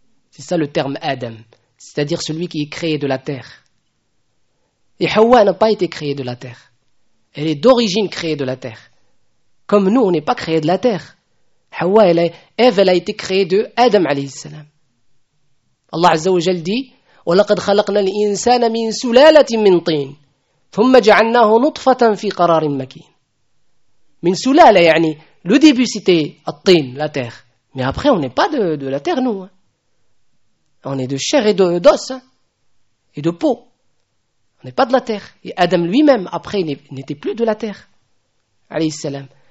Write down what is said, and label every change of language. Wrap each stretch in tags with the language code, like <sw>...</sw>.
<fr>C'est ça le terme Adam. C'est-à-dire celui qui est créé de la terre. Et Hawa n'a pas été créée de la terre. Elle est d'origine créée de la terre. Comme nous, on n'est pas créé de la terre. Hawa, Ève, elle a été créée de Adam, alayhi salam.</fr> <ar>Allah Azza wa Jal dit, وَلَقَدْ خَلَقْنَا الْإِنسَانَ مِنْ سُلَالَةٍ مِنْ طِينٍ ثُمَّ جَعَلْنَاهُ نُطْفَةً فِي قَرَارٍ مَكِينٍ. مِنْ سُلَالَةٍ, يعني,</ar> <fr>le début c'était الطين, la terre. Mais après, on n'est pas de la terre, nous. On est de chair et d'os, et de peau. On n'est pas de la terre. Et Adam lui-même, après, n'était plus de la terre. Alayhi salam.</fr>